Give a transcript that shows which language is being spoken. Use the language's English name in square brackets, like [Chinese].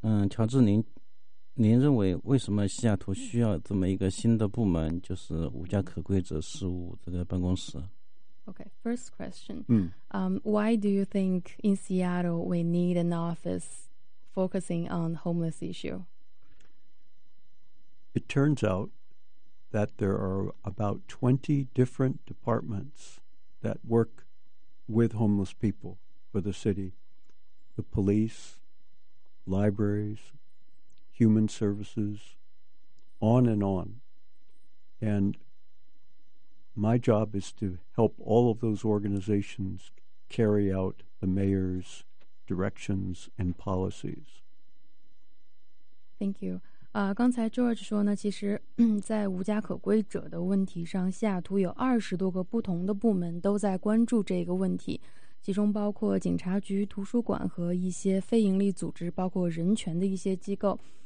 [Chinese] 乔治，您认为为什么西雅图需要这么一个新的部门，就是无家可归者事务这个办公室？ [English] Okay, first question. Why do you think in Seattle we need an office focusing on homeless issue? It turns out that there are about 20 different departments that work with homeless people for the city. The police, libraries, human services, on and on. And my job is to help all of those organizations carry out the mayor's directions and policies. Thank you. [Chinese] 刚才 George 说呢，其实在无家可归者的问题上，西雅图有20多个不同的部门都在关注这个问题，其中包括警察局、图书馆和一些非营利组织，包括人权的一些机构。